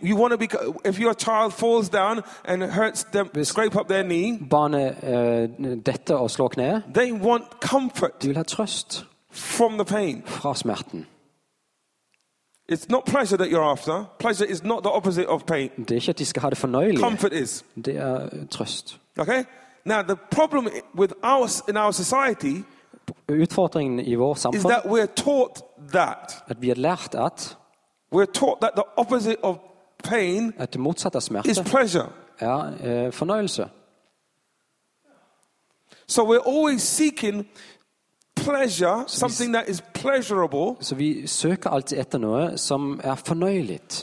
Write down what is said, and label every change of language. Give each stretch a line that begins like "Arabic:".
English: You want to be if your child falls down and hurts them, scrape up their knee.
Norwegian: Barnet dette og slår kne.
English: They want comfort.
Norwegian: De vil ha trøst.
English: From the pain.
Norwegian: Fra smerten.
English: It's not pleasure that you're after. Pleasure is not the opposite of pain.
Norwegian: Det er ikke at de skal ha det fornøyelige.
English: Comfort is.
Norwegian: Det er trøst.
English: Okay. Now the problem with us in our society.
Norwegian: utfordringen i vår samfunn,
English: is that we're taught that,
Norwegian: at vi lært at,
English: we're taught that the opposite of pain,
Norwegian: at det motsatte av smerte,
English: is pleasure.
Norwegian: Fornøyelse.
English: So we're always seeking pleasure, something that is pleasurable.
Norwegian: Så vi søker alltid etter noe som fornøyelig.